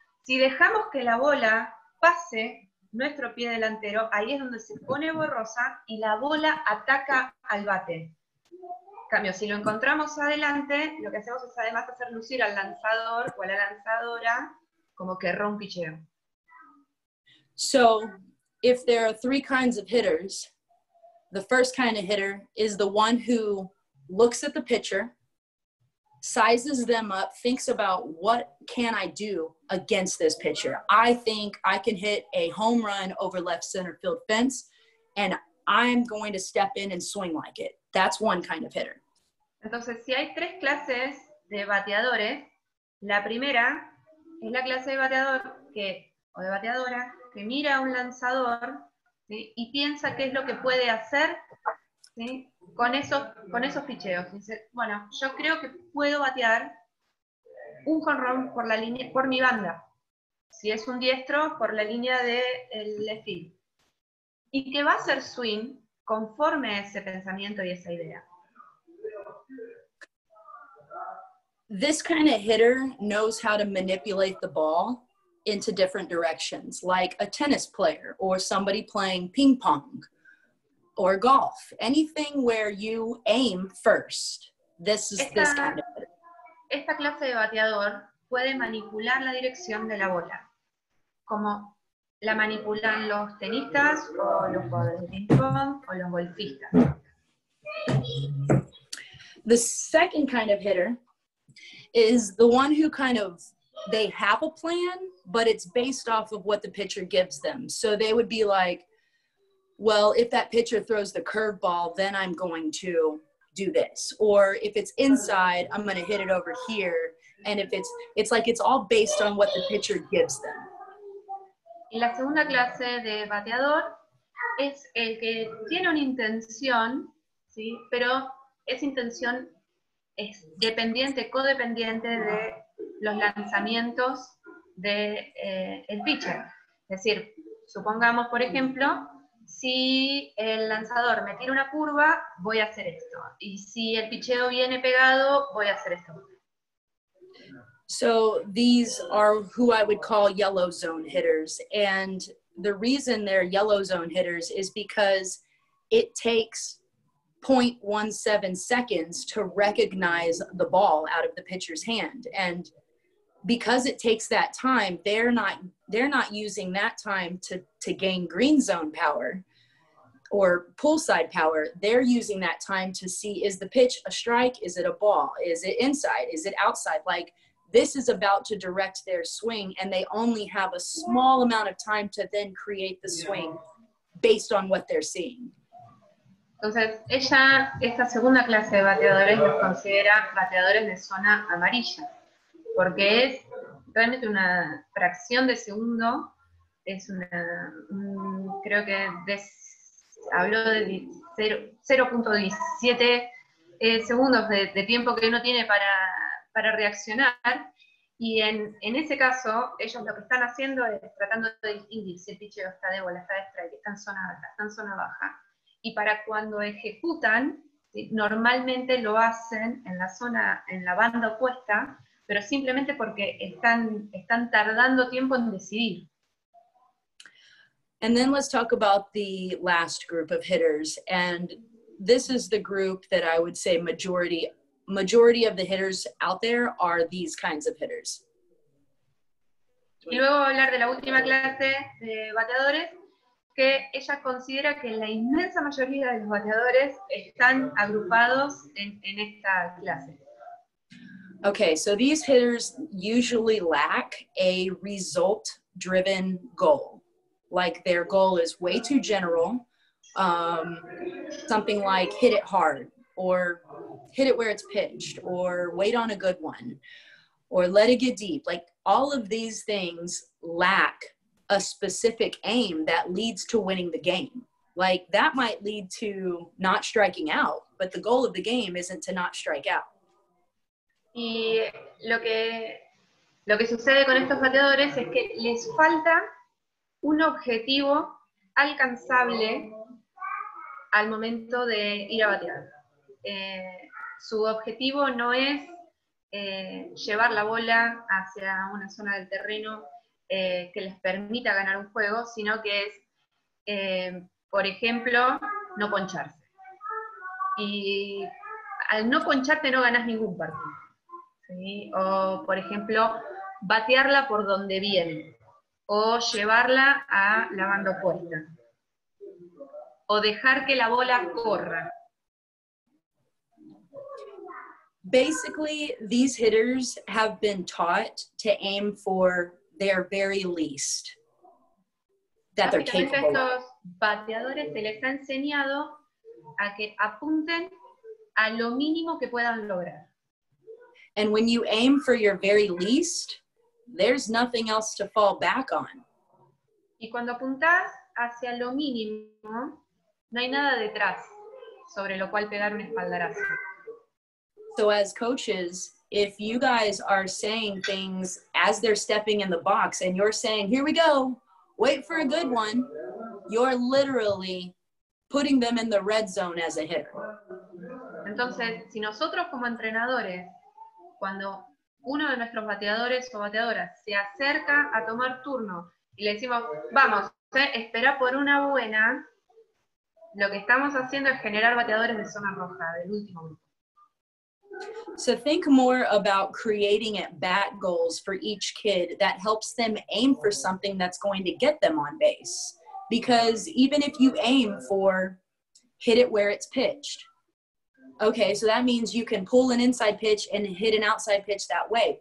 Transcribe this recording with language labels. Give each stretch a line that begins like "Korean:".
Spanish: Si dejamos que la bola pase nuestro pie delantero, ahí es donde se pone borrosa y la bola ataca al bate. En cambio, si lo encontramos adelante, lo que hacemos es además hacer lucir al lanzador o a la lanzadora como que erró un picheo.
English: So, if there are three kinds of hitters, the first kind of hitter is the one who looks at the pitcher, sizes them up, thinks about what can I do against this pitcher. I think I can hit a home run over left center field fence, and I'm going to step in and swing like it. That's one kind of hitter.
Spanish: Entonces, si hay tres clases de bateadores, la primera es la clase de bateador que, o de bateadora, que mira a un lanzador ¿sí? y piensa qué es lo que puede hacer ¿sí? Con esos picheos. Dice, bueno, yo creo que puedo batear un jonrón por la línea, por mi banda. Si es un diestro, por la línea del left field. Y que va a hacer swing conforme a ese pensamiento y esa idea.
English: This kind of hitter knows how to manipulate the ball into different directions, like a tennis player or somebody playing ping pong or golf. Anything where you aim first, this is
Spanish: esta,
English: this kind of it.
Spanish: Esta clase de bateador puede manipular la dirección de la bola, como la manipulan los tenistas o los jugadores de ping pong o los golfistas.
English: The second kind of hitter is the one who kind of they have a plan, but it's based off of what the pitcher gives them. So they would be like, well, if that pitcher throws the curveball, then I'm going to do this. Or if it's inside, I'm going to hit it over here. And if it's like it's all based on what the pitcher gives them.
Spanish: Y la segunda clase de bateador es el que tiene una intención, ¿sí? Pero esa intención es dependiente, codependiente de los lanzamientos de el pitcher. Es decir, supongamos, por ejemplo, si el lanzador me tira una curva, voy a hacer esto. Y si el picheo viene pegado, voy a hacer esto.
English: So these are who I would call yellow zone hitters. And the reason they're yellow zone hitters is because it takes 0.17 seconds to recognize the ball out of the pitcher's hand. And because it takes that time, they're not using that time to gain green zone power or poolside power. They're using that time to see, is the pitch a strike? Is it a ball? Is it inside? Is it outside? Like, this is about to direct their swing, and they only have a small amount of time to then create the swing based on what they're seeing.
Spanish: Entonces, ella, esta segunda clase de bateadores los considera bateadores de zona amarilla, porque es realmente una fracción de segundo, es una, creo que habló de 0.17 segundos de tiempo que uno tiene para reaccionar, y en ese caso, ellos lo que están haciendo es tratando de distinguir si el pitcher está débil, está de strike, está en zona alta, está en zona baja. Y para cuando ejecutan, ¿sí? Normalmente lo hacen en la zona, en la banda opuesta, pero simplemente porque están tardando tiempo en decidir.
English: And then let's talk about the last group of hitters. And this is the group that I would say majority of the hitters out there are these kinds of hitters.
Spanish: Y luego hablar de la última clase de bateadores, que ella considera que la inmensa mayoría de los bateadores están agrupados en esta clase.
English: Okay, so these hitters usually lack a result-driven goal. Like, their goal is way too general, something like hit it hard, or hit it where it's pitched, or wait on a good one, or let it get deep. Like, all of these things lack a specific aim that leads to winning the game. Like, that might lead to not striking out, but the goal of the game isn't to not strike out.
Spanish: Y lo que sucede con estos bateadores es que les falta un objetivo alcanzable al momento de ir a batear. Su objetivo no es llevar la bola hacia una zona del terreno que les permita ganar un juego, sino que es, por ejemplo, no poncharse. Y al no poncharte no ganas ningún partido. ¿Sí? O, por ejemplo, batearla por donde viene. O llevarla a la banda opuesta. O dejar que la bola corra.
English: Basically, these hitters have been taught to aim for their very least that they're capable of.
Spanish: Estos bateadores se les ha enseñado a que apunten a lo mínimo que puedan lograr.
English: And when you aim for your very least, there's nothing else to fall back on.
Spanish: Y cuando apuntás hacia lo mínimo, no hay nada detrás sobre lo cual pegar un espaldarazo.
English: So as coaches, if you guys are saying things as they're stepping in the box and you're saying, here we go, wait for a good one, you're literally putting them in the red zone as a hitter.
Spanish: Entonces, si nosotros como entrenadores, cuando uno de nuestros bateadores o bateadoras se acerca a tomar turno y le decimos, vamos, espera por una buena, lo que estamos haciendo es generar bateadores de zona roja, del último grupo.
English: So think more about creating at-bat goals for each kid that helps them aim for something that's going to get them on base. Because even if you aim for hit it where it's pitched, okay, so that means you can pull an inside pitch and hit an outside pitch that way.